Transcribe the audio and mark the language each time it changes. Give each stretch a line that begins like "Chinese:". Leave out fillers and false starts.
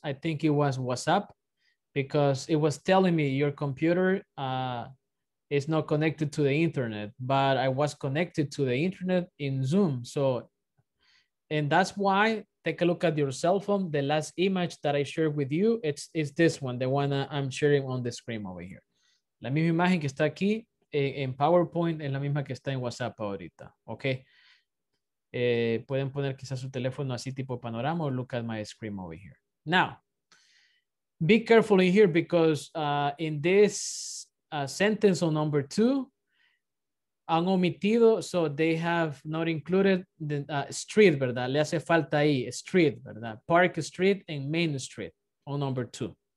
English: I think it was WhatsApp, because it was telling me your computer is not connected to the internet, but I was connected to the internet in Zoom. So, and that's why, take a look at your cell phone. The last image that I shared with you, it's this one, the one I'm sharing on the screen over here.
Spanish: La misma imagen que está aquí en PowerPoint es la misma que está en WhatsApp ahorita, ¿ok? pueden poner quizás su teléfono así tipo panorama o
English: look at my screen over here. Now, be careful in here because in this sentence on number two,
Spanish: han omitido,
English: so they have not included the street, ¿verdad?
Spanish: Le hace falta ahí,
English: street, ¿verdad? Park Street and Main Street on number two.